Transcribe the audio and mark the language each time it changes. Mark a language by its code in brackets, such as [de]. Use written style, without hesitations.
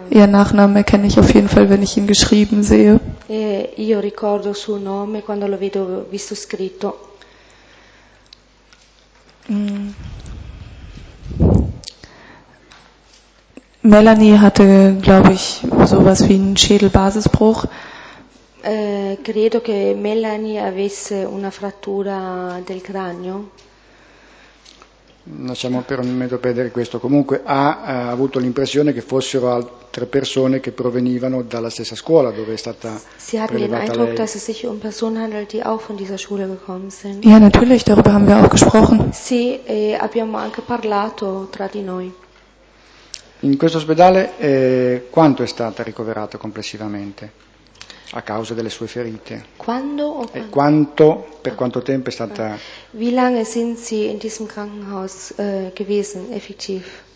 [de] Ihr Nachname kenne ich auf jeden Fall, wenn ich ihn geschrieben sehe. [it] E io ricordo suo nome quando lo vedo visto scritto. [de] Melanie hatte, glaube ich, sowas wie einen Schädelbasisbruch. [it] Credo che Melanie avesse una frattura del cranio. Lasciamo per un momento perdere questo. Comunque ha avuto l'impressione che fossero altre persone che provenivano dalla stessa scuola dove è stata prelevata lei. [de] Sie hatten den Eindruck, dass es sich um Personen handelt, die auch von dieser Schule gekommen sind. Ja, natürlich, darüber haben wir auch gesprochen. [it] Sì, e abbiamo anche parlato tra di noi. In questo ospedale quanto è stata ricoverata complessivamente a causa delle sue ferite? Quando o quando? E quanto, per quanto tempo è stata... [de] Wie lange sind Sie in diesem Krankenhaus gewesen, effektiv?